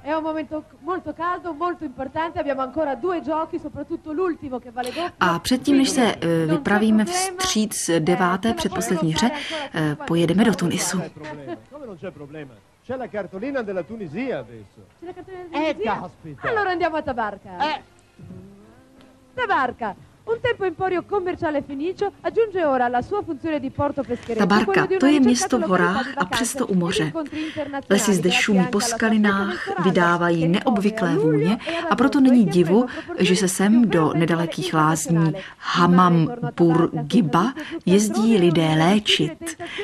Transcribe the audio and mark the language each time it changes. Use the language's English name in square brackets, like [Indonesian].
[Italian] È un momento molto caldo, molto importante, abbiamo ancora due giochi, soprattutto l'ultimo che vale doppio. [Czech] A předtím, než se vypravíme vstříc deváté předposlední hře, pojedeme do Tunisu. [Italian] Come non c'è problema? C'è la cartolina della Tunisia adesso. C'è la cartolina della Tunisia? Caspita. Allora andiamo a Tabarka. Tabarka. Un tempo emporio commerciale fenicio aggiunge ora la sua funzione di porto peschereccio. [Czech] Tabarka, to je město v horách a přesto u moře. Lesy zde šumí po skalinách, vydávají neobvyklé vůně a proto není divu, že se sem do nedalekých lázní Hamam Burgiba jezdí lidé léčit.